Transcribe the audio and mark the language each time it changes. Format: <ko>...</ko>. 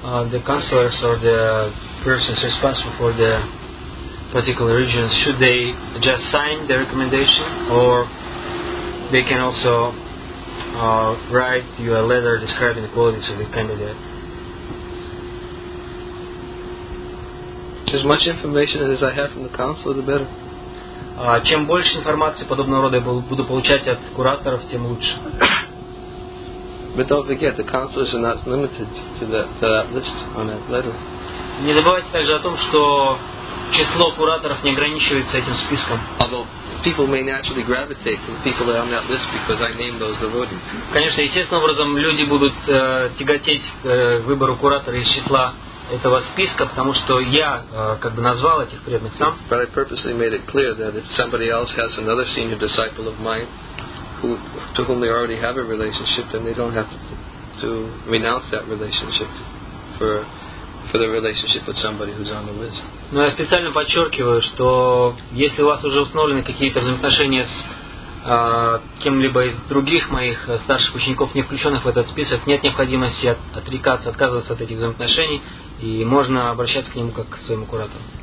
<en>The counselors or the persons responsible for the particular regions, should they just sign the recommendation, or they can also write you a letter describing the qualities of the candidate? As much information as I have from the counselor, the better.</en> <ru>Чем больше информации подобного рода я буду получать от кураторов, тем лучше.</ru> <en>But don't forget, the counselors are not limited to that list on that letter.</en> <ru>Не забывайте также о том, что число кураторов не ограничивается этим списком.</ru> <en>Although people may naturally gravitate to the people that are on that list because I named those devotees.</en> <ru>Конечно, естественным образом люди будут тяготеть к выбору куратора из числа этого списка, потому что я как бы назвал этих преданных сам.</ru> <en>But I purposely made it clear that if somebody else has another senior disciple of mine who to whom they already have a relationship, then they don't have to renounce that relationship for the relationship with somebody who's on the list.</en> <ru>Но я специально подчеркиваю, что если у вас уже установлены какие-то взаимоотношения с кем-либо из других моих старших учеников, не включенных в этот список, нет необходимости отрекаться, отказываться от этих взаимоотношений, и можно обращаться к нему как к своему куратору.</ru>